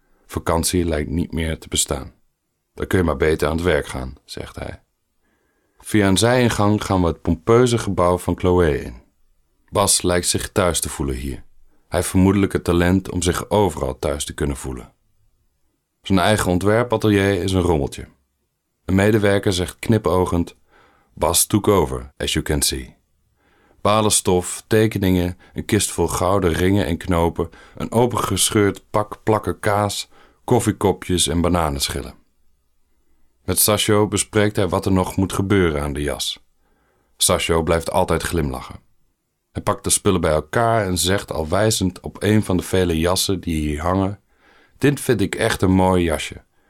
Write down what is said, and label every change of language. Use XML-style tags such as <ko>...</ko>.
<nl>Vakantie lijkt niet meer te bestaan. Dan kun je maar beter aan het werk gaan, zegt hij. Via een zijingang gaan we het pompeuze gebouw van Chloé in. Bas lijkt zich thuis te voelen hier. Hij heeft vermoedelijk het talent om zich overal thuis te kunnen voelen. Zijn eigen ontwerpatelier is een rommeltje. Een medewerker zegt knipoogend,</nl> <en>Bas took over, as you can see.</en> <nl>Balen stof, tekeningen, een kist vol gouden ringen en knopen, een opengescheurd pak plakken kaas, koffiekopjes en bananenschillen. Met Sascho bespreekt hij wat er nog moet gebeuren aan de jas. Sascho blijft altijd glimlachen. Hij pakt de spullen bij elkaar en zegt al wijzend op een van de vele jassen die hier hangen, Dit vind ik echt een mooi jasje.</nl>